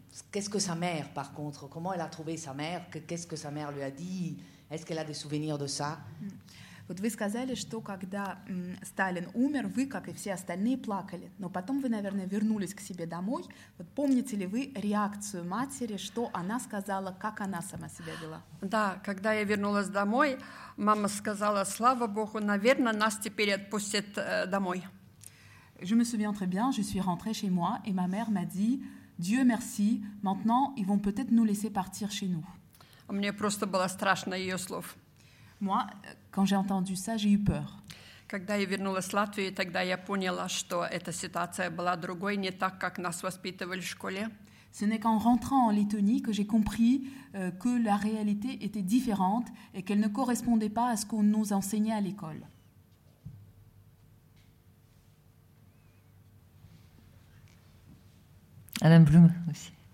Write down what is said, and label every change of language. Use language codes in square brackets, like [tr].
[fr] Qu'est-ce que sa mère, par contre, comment elle a trouvé sa mère? Qu'est-ce que sa mère lui a dit? Est-ce qu'elle a des souvenirs de ça? [ru] Вот вы сказали, что когда Сталин умер, вы, как и все остальные, плакали. Но потом вы, наверное, вернулись к себе домой. Вот помните ли вы реакцию матери, что она сказала, как она сама себя вела? Да, когда я вернулась домой, мама сказала, слава богу, наверное, нас теперь отпустят домой. [fr] Je me souviens très bien, je suis rentrée chez moi, et ma mère m'a dit, Dieu merci, maintenant ils vont peut-être nous laisser partir chez nous. [ru] Мне просто было страшно ее слов. [fr] Moi, quand j'ai entendu ça, j'ai eu peur. [ru] Когда я вернулась в Латвию, тогда я поняла, что эта ситуация была другой, не так, как нас воспитывали в школе. [fr] Ce n'est qu'en rentrant en Lettonie que j'ai compris que la réalité était différente et qu'elle ne correspondait pas à ce qu'on nous enseignait à l'école. Alain Blum aussi.